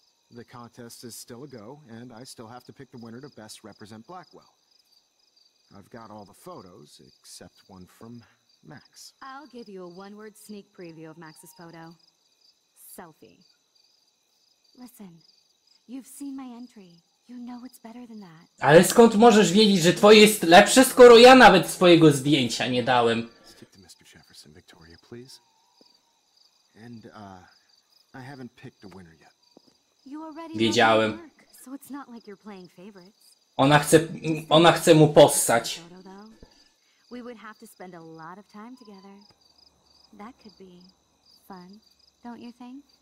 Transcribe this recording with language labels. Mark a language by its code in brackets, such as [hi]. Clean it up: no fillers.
[en] The contest is still a go, and I still have to pick the winner to best represent Blackwell. I've got all the photos, except one from Max. I'll give you a one-word sneak preview of Max's photo. Selfie. Listen, you've seen my entry. You know it's better than that. [pl] Ale skąd możesz wiedzieć, że twoje jest lepsze, skoro ja nawet swojego zdjęcia nie dałem? [en] Stick to Mr. Jefferson, Victoria, please. And I haven't picked a winner yet. You already know the work, so it's not like you're playing favorites. [pl] Ona chce mu possać. [en] We would have to spend a lot of time together. That could be fun, don't you think?